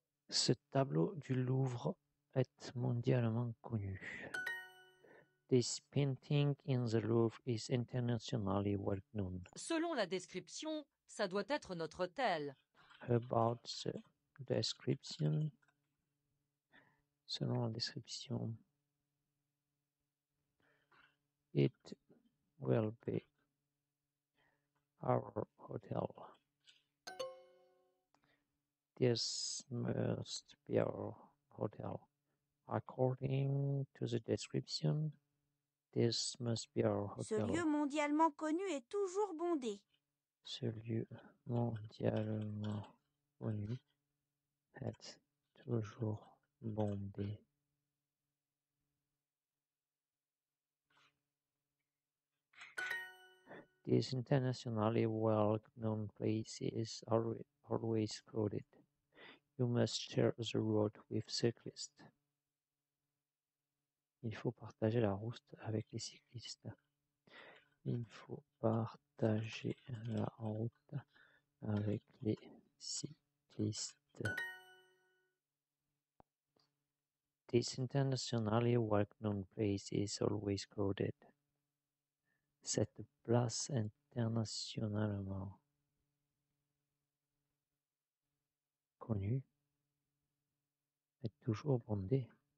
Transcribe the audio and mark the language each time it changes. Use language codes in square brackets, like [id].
[fr] Ce tableau du Louvre est mondialement connu. [en] This painting in the Louvre is internationally well known. [fr] Selon la description, ça doit être notre hôtel. [en] About the description. [fr] Selon la description. [en] It will be our hotel. This must be our hotel. According to the description, this must be our hotel. [fr] Ce lieu mondialement connu est toujours bondé. Ce lieu mondialement connu est toujours bondé. [en] This internationally well-known place is always crowded. You must share the road with cyclists. [fr] Il faut partager la route avec les cyclistes. Il faut partager la route avec les cyclistes. [en] This internationally well-known place is always crowded. [fr] Cette place internationalement connue est toujours bondée.